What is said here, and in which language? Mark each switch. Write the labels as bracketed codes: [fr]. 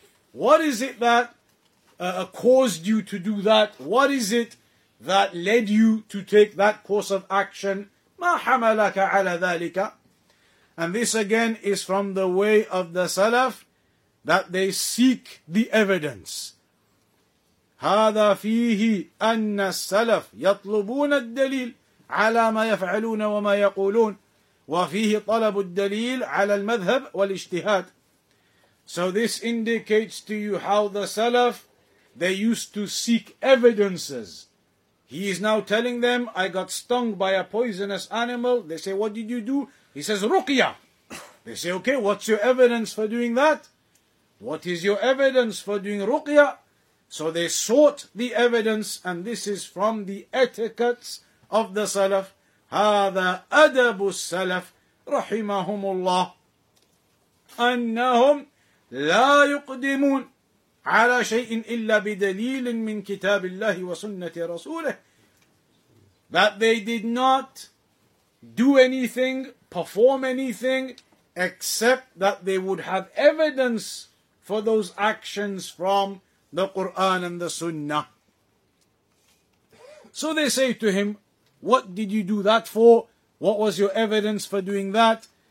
[en] What is it that caused you to do that? What is it that led you to take that course of action? [ar] مَا حَمَلَكَ عَلَى ذَلِكَ. [en] And this again is from the way of the Salaf, that they seek the evidence. [ar] هذا فيه أن السلف يطلبون الدليل على ما يفعلون وما يقولون وفيه طلب الدليل على المذهب والاجتهاد. [en] So this indicates to you how the Salaf, they used to seek evidences. He is now telling them, I got stung by a poisonous animal. They say, what did you do? He says, ruqya. They say, okay, what's your evidence for doing that? What is your evidence for doing ruqya? So they sought the evidence, and this is from the etiquettes of the Salaf. [ar] هذا أدب السلف رحمهم الله أنهم لا يقدمون على شيء إلا بدليل من كتاب الله وسنة رسوله. [en] That they did not do anything, perform anything, except that they would have evidence for those actions from the Qur'an and the Sunnah. So they say to him, what did you do that for? What was your evidence for doing that?